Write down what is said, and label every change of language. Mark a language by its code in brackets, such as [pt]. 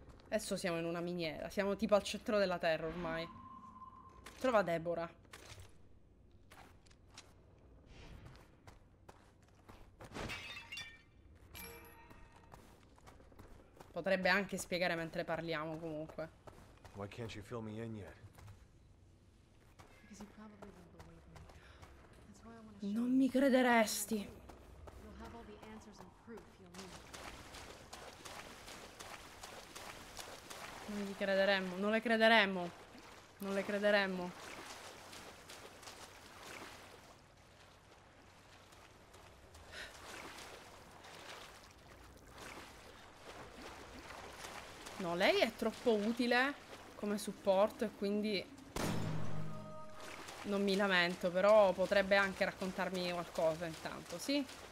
[it] Adesso siamo in una miniera, siamo tipo al centro della terra ormai. Trova Deborah. Potrebbe anche spiegare mentre parliamo, comunque. [en] Why can't you fill me in yet? Because you probably don't believe me. That's why I want to show. [it] Non mi crederesti. [en] You'll have all the answers and proof you'll need. [it] Non gli crederemmo, non le crederemmo. Non le crederemmo. No, lei è troppo utile come supporto e quindi non mi lamento, però potrebbe anche raccontarmi qualcosa intanto, sì?